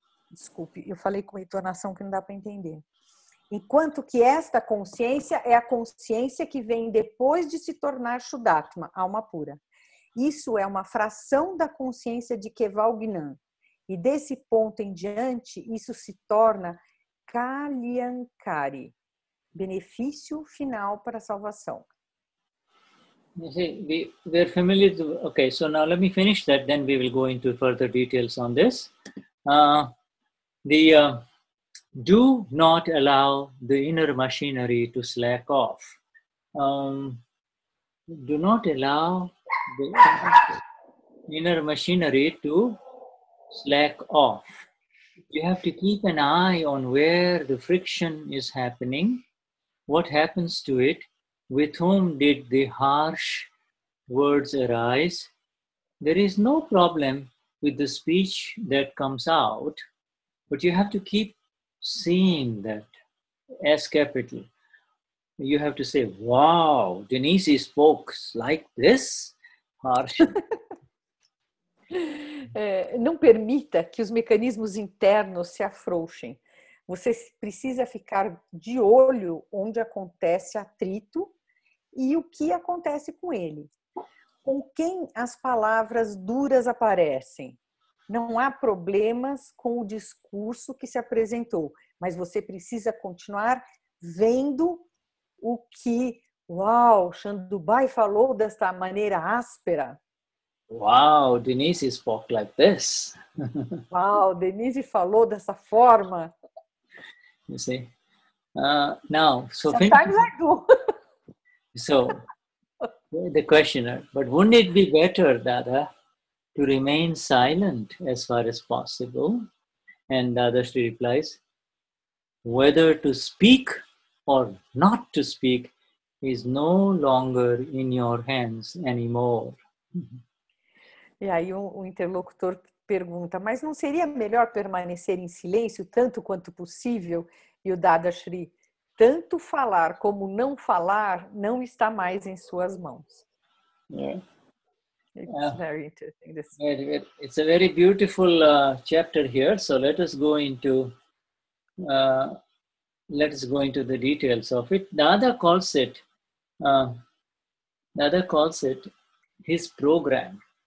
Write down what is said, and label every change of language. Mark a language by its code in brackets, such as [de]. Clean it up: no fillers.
[pt] Desculpe, eu falei com entonação que não dá para entender. Enquanto que esta consciência é a consciência que vem depois de se tornar Shuddhatma, alma pura. Isso é uma fração da consciência de Kevalgnan. E desse ponto em diante, isso se torna Kalyankari, benefício final para a salvação. [en] You see, we are familiar. Okay, so now let me finish that, then we will go into further details on this. Do not allow the inner machinery to slack off. Do not allow the inner machinery to slack off. You have to keep an eye on where the friction is happening, what happens to it, with whom did the harsh words arise. There is no problem with the speech that comes out, but you have to keep seeing that S capital. You have to say, wow, Denise spoke like this harsh. [pt] Não permita que os mecanismos internos se afrouxem. Você precisa ficar de olho onde acontece atrito e o que acontece com ele. Com quem as palavras duras aparecem? Não há problemas com o discurso que se apresentou, mas você precisa continuar vendo o que, uau, Chandubai falou desta maneira áspera. [en] Wow, Denise spoke like this. [pt] Wow, Denise falou dessa forma. [en] You see? Now, so sometimes I do. So, the questioner, but wouldn't it be better, Dada, to remain silent as far as possible? And Dada Shri replies, whether to speak or not to speak is no longer in your hands anymore. Mm-hmm. [pt] E aí o interlocutor pergunta, mas não seria melhor permanecer em silêncio tanto quanto possível? E o Dada Shri, tanto falar como não falar não está mais em suas mãos. [en] Yeah. It's very interesting. It's a very beautiful chapter here, so let us go into the details of it. Dada calls it his program.